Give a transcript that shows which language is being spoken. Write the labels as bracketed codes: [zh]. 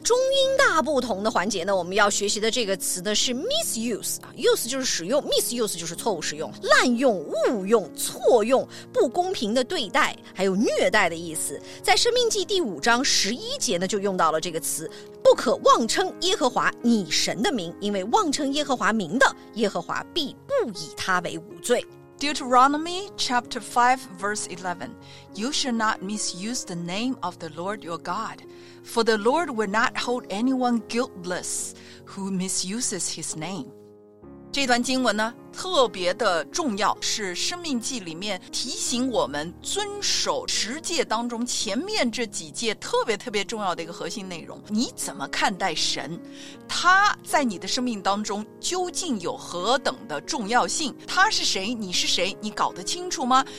[zh] 中英大不同的环节呢，我们要学习的这个词呢是 misuse， use 就是使用， misuse 就是错误使用，滥用、误用、错用、不公平的对待，还有虐待的意思。在申命记第五章十一节呢，就用到了这个词，不可妄称耶和华你神的名，因为妄称耶和华名的，耶和华必不以他为无罪。 [en] Deuteronomy chapter 5 verse 11, you shall not misuse the name of the Lord your God, for the Lord will not hold anyone guiltless who misuses his name. [zh] 这段经文呢特别的重要，是生命记里面提醒我们遵守十诫当中前面这几诫特别特别重要的一个核心内容。你怎么看待神，他在你的生命当中究竟有何等的重要性，他是谁，你是谁，你搞得清楚吗？